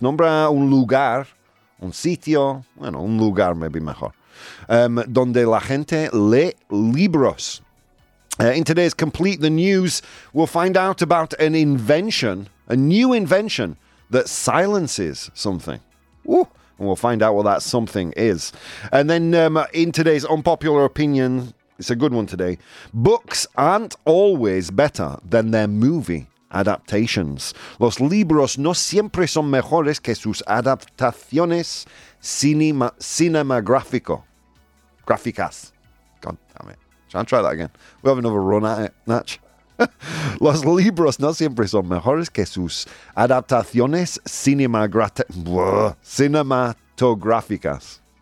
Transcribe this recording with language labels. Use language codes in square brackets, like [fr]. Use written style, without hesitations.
[es] Nombra un lugar, un sitio, bueno, un lugar maybe mejor. Donde la gente lee libros. [en] In today's Complete the News, we'll find out about an invention, a new invention that silences something. Ooh, and we'll find out what that something is. And then in today's Unpopular Opinion, it's a good one today, books aren't always better than their movie adaptations. [es] Los libros no siempre son mejores que sus adaptaciones cinematográfico. [en] Graficas. God damn it. Shall I try that again? We'll have another run at it, Natch. [es] Los libros no siempre son mejores que sus adaptaciones cinematográficas.